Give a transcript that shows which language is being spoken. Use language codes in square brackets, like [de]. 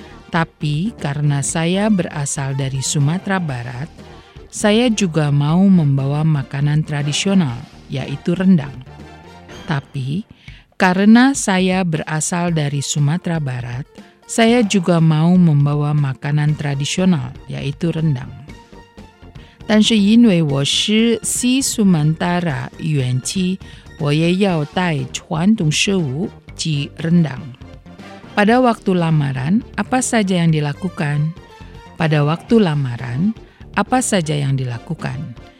[id] Tapi karena saya berasal dari Sumatera Barat, saya juga mau membawa makanan tradisional, yaitu rendang. Tapi karena saya berasal dari Sumatera Barat, saya juga mau membawa makanan tradisional, yaitu rendang. [zh] 但是因为我是西苏门答腊原籍。我也要带传统食物及 rendang。 [id] Pada waktu lamaran, apa saja yang dilakukan? Pada waktu lamaran, apa saja yang dilakukan?